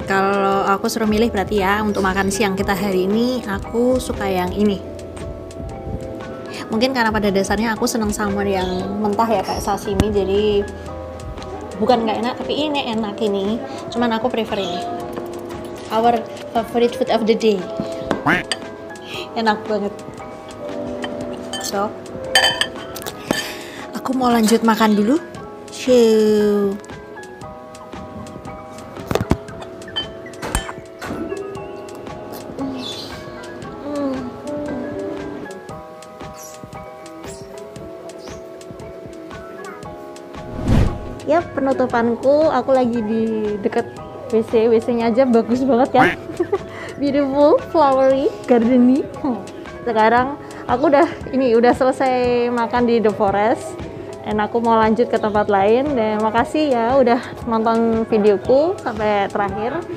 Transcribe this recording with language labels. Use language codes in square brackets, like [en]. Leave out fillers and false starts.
[id] Kalau aku suruh milih berarti ya untuk makan siang kita hari ini, aku suka yang ini. Mungkin karena pada dasarnya aku seneng salmon yang mentah ya, kayak sashimi, jadi bukan gak enak, tapi ini enak ini. Cuman aku prefer ini. [en] Our favorite food of the day. [id] Enak banget. So, aku mau lanjut makan dulu. Ciu. Ya penutupanku, aku lagi di deket WC. WC-nya aja bagus banget kan. [en] Beautiful, flowery, gardeny. [id] Sekarang aku udah ini udah selesai makan di The Forest. Dan aku mau lanjut ke tempat lain. Dan makasih ya udah nonton videoku sampai terakhir.